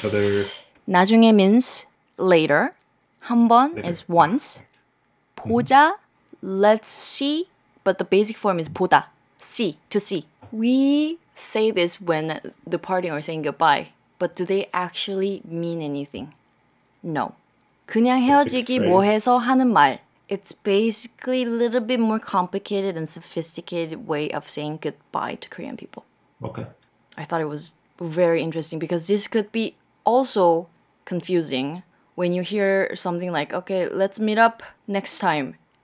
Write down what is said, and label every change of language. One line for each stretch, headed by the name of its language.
English: see each other... 나중에 means later. 한번 is once. 보자, let's see. But the basic form is 보다. See, to see. We say this when the parting or saying goodbye. But do they actually mean anything? No.
Korean: 그냥 헤어지기 뭐해서 하는 말.
English: It's basically a little bit more complicated and sophisticated way of saying goodbye to Korean people. Okay. I thought it was very interesting because this could be also confusing when you hear something like, okay, let's meet up next time.